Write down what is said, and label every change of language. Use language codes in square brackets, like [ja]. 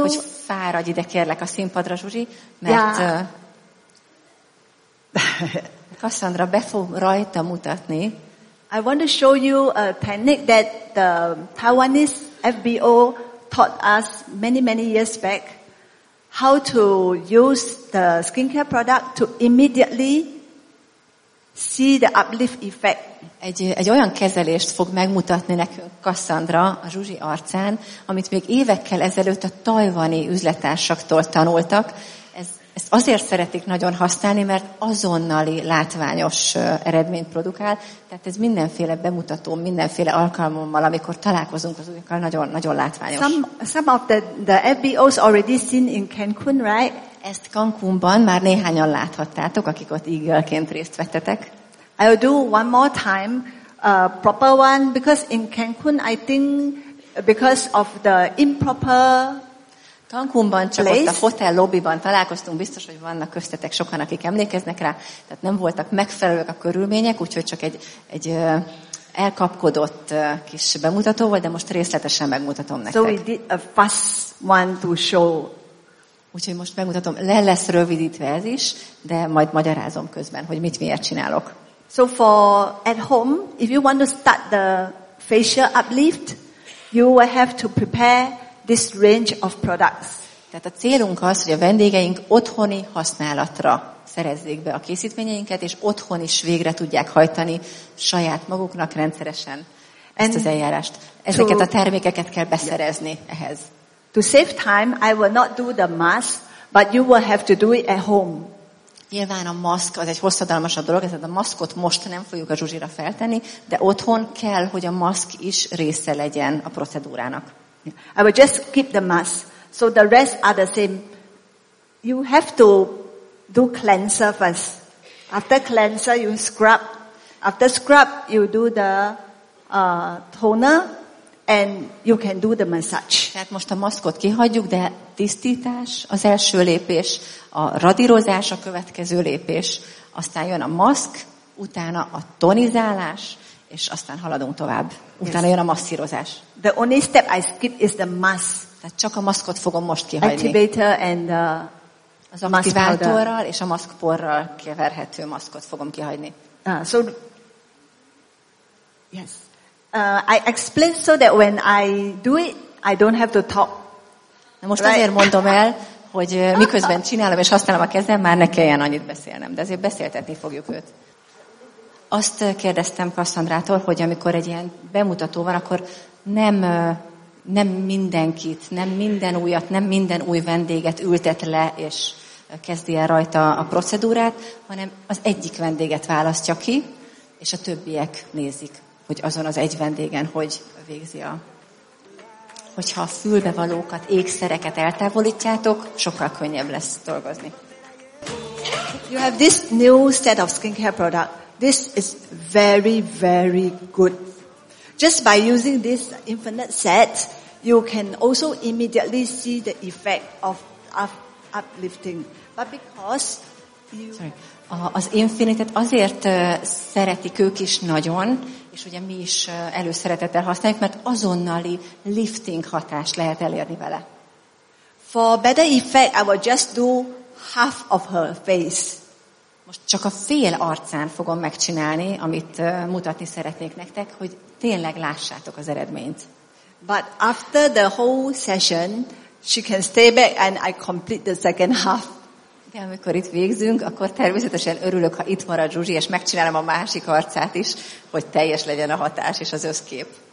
[hu] Hogy fáradj ide, kérlek, a színpadra, Zsuzsi, mert Kasszandra be fog rajta mutatni. [en] I want to show you a technique that the Taiwanese FBO taught us many, many years back. How to use the skincare product to immediately see the uplift effect. [hu] Egy olyan kezelést fog megmutatni nekünk Kasszandra a Zsuzsi arcán, amit még évekkel ezelőtt a tajvani üzletársaktól tanultak. Ezt azért szeretik nagyon használni, mert azonnali látványos eredményt produkál. Tehát ez mindenféle bemutató, mindenféle alkalommal, amikor találkozunk az újakkal, nagyon, nagyon látványos. [en] Some of the FBOs already seen in Cancun, right? [hu] Ezt Cancunban már néhányan láthattátok, akik ott eagle-ként részt vettetek. [en] I'll do one more time, a proper one, because in Cancun, I think, because of the improper [hu] Cancunban csak ott a hotel lobbyban találkoztunk, biztos, hogy vannak köztetek sokan, akik emlékeznek rá, tehát nem voltak megfelelők a körülmények, úgyhogy csak egy elkapkodott kis bemutató volt, de most részletesen megmutatom nektek. [en] So we did a fast one to show. [hu] Úgyhogy most megmutatom, le lesz rövidítve ez is, de majd magyarázom közben, hogy mit miért csinálok. [en] So for at home, if you want to start the facial uplift, you will have to prepare this range of products. [hu] Tehát a célunk az, hogy a vendégeink otthoni használatra szerezzék be a készítményeinket, és otthon is végre tudják hajtani saját maguknak rendszeresen ezt az eljárást. Ezeket a termékeket kell beszerezni ehhez. [en] To save time, I will not do the mask, but you will have to do it at home. [hu] Nyilván a maszk az egy hosszadalmasabb dolog, ezért a maszkot most nem fogjuk a Zsuzsira feltenni, de otthon kell, hogy a maszk is része legyen a procedúrának. [en] I will just keep the mask, so the rest are the same. You have to do cleanser first. After cleanser, you scrub. After scrub, you do the toner, and you can do the massage. [hu] Tehát most a maszkot kihagyjuk, de tisztítás az első lépés, a radírozás a következő lépés, aztán jön a maszk, utána a tonizálás, és aztán haladunk tovább. Utána jön a masszírozás. [en] The only step I skip is the mask. [hu] Tehát csak a maszkot fogom most kihagyni. [en] Activator and the [hu] az aktiváltorral és a maszkporral keverhető maszkot fogom kihagyni. [en] So, yes. I explain so that when I do it, I don't have to talk. [hu] Na most [en] right? [hu] Azért mondom el, hogy miközben csinálom és használom a kezem, már ne kelljen annyit beszélnem, de azért beszéltetni fogjuk őt. Azt kérdeztem Kasszandrától, hogy amikor egy ilyen bemutató van, akkor nem mindenkit, nem minden újat, nem minden új vendéget ültet le és kezdi el rajta a procedúrát, hanem az egyik vendéget választja ki, és a többiek nézik, hogy azon az egy vendégen hogy végzi a... Hogyha a fülbevalókat, ékszereket eltávolítjátok, sokkal könnyebb lesz dolgozni. [en] You have this new set of skincare product. This is very, very good. Just by using this infinite set, you can also immediately see the effect of uplifting. But because you... Sorry. [hu] Az Infinite-et azért szeretik ők is nagyon, és ugye mi is előszeretettel használjuk, mert azonnali lifting hatást lehet elérni vele. [en] For better effect, I will just do half of her face. [hu] Most csak a fél arcán fogom megcsinálni, amit mutatni szeretnék nektek, hogy tényleg lássátok az eredményt. [en] But after the whole session, she can stay back and I complete the second half. [hu] De amikor itt végzünk, akkor természetesen örülök, ha itt marad Zsuzsi, és megcsinálom a másik arcát is, hogy teljes legyen a hatás és az összkép.